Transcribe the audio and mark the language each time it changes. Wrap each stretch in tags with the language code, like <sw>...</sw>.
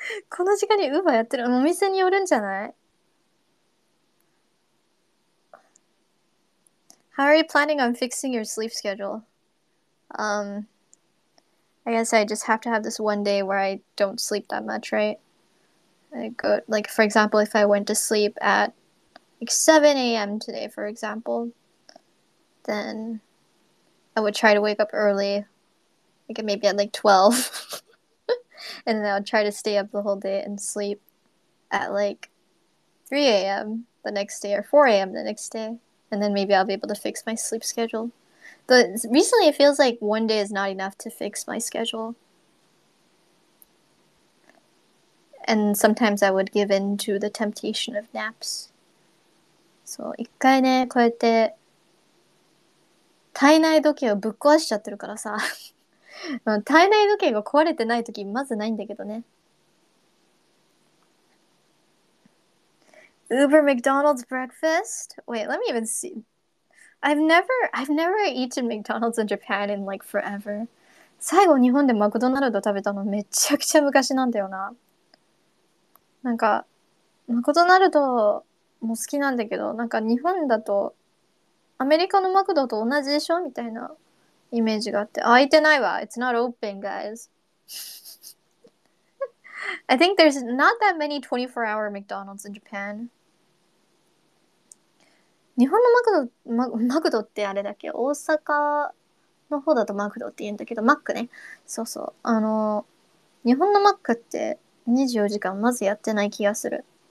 <ja>この時間にウーバーやってる。お店によるんじゃない?</ja> <en>How are you planning on fixing your sleep schedule? I guess I just have to have this one day where I don't sleep that much, right? For example, if I went to sleep at like 7 a.m. today, for example, then I would try to wake up early, like maybe at like 12. And then I would try to stay up the whole day and sleep at like 3 a.m. the next day or 4 a.m. the next day. And then maybe I'll be able to fix my sleep schedule. But recently it feels like one day is not enough to fix my schedule. And sometimes I would give in to the temptation of naps.</en> <ja>So, 一回ね、こうやって体内時計をぶっ壊しちゃってるからさ。体内時計が壊れてない時まずないんだけどね。</ja> <en>Uber McDonald's breakfast? Wait, let me even see. I've never eaten McDonald's in Japan in like forever.</en> <ja>最後日本でマクドナルド食べたのめちゃくちゃ昔なんだよな。なんかマクドナルドも好きなんだけど、なんか日本だとアメリカのマクドと同じでしょみたいなイメージがあって、開いてないわ。</ja> <en>It's not open, guys. I think there's not that many 24-hour McDonald's in Japan.</en> <ja>日本のマクドってあれだっけ、大阪の方だとマクドって言うんだけど、マックね。そうそう。あの、日本のマックって24時間まずやってない気がする。</ja>